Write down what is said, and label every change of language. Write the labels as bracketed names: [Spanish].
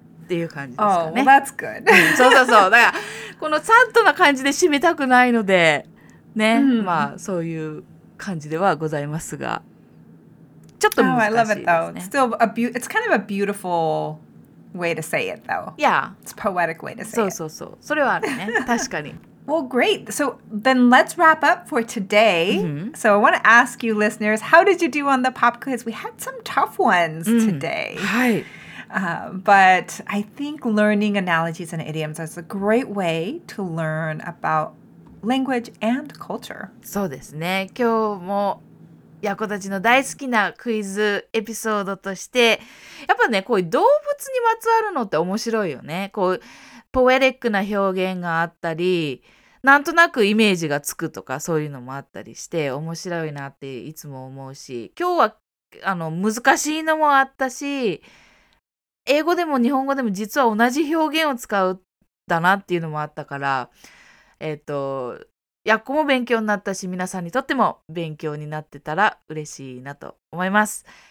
[Japanese] っていう感じですかね。 [English] Oh, well, that's good. [Japanese] そうそうそう。だから、このサッとな感じで締めたくないので、ね、まあそういう。感じではございますが、ちょっと難しいですね。 [English] Oh, I love it though. It's still it's kind of a beautiful way to say it though. Yeah. It's a poetic way to say [Japanese] そうそうそう。それはあるね。確かに。 [English] Well, great. So then let's wrap up for today.、So I want to ask you listeners, how did you do on the pop quiz? We had some tough ones today.、 [Japanese] はい。 [English] But I think learning analogies and idioms is a great way to learn aboutLanguage and culture. [Japanese] そうですね。今日もヤコたちの大好きなクイズエピソードとして、やっぱね、こういう動物にまつわるのって面白いよね。こう、ポエティックな表現があったり、なんとなくイメージがつくとかそういうのもあったりして、面白いなっていつも思うし、今日は難しいのもあったし、英語でも日本語でも実は同じ表現を使うだなっていうのもあったから、やっこも勉強になったし、皆さんにとっても勉強になってたら嬉しいなと思います。